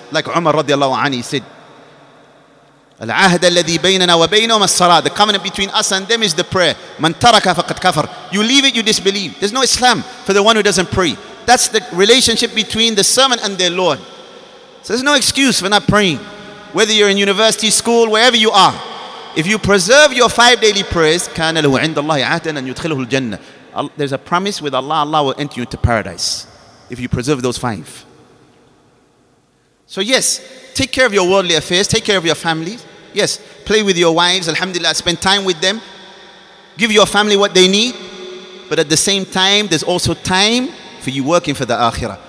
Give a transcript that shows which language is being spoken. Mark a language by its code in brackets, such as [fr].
[en] Like Umar radiallahu anhu said, the covenant between us and them is the prayer. [ar] Man taraka faqad kafar. [en] You leave it, you disbelieve. There's no Islam for the one who doesn't pray. That's the relationship between the servant and their Lord. So there's no excuse for not praying. Whether you're in university, school, wherever you are. If you preserve your 5 daily prayers, [ar] كَانَ لَهُ عِنْدَ اللَّهِ عَهْدًا أَنْ يُدْخِلُهُ الْجَنَّةِ. [en] There's a promise with Allah, Allah will enter you into paradise. If you preserve those 5. So yes, take care of your worldly affairs, take care of your family. Yes, play with your wives, alhamdulillah, spend time with them. Give your family what they need. But at the same time, there's also time for you working for the akhirah.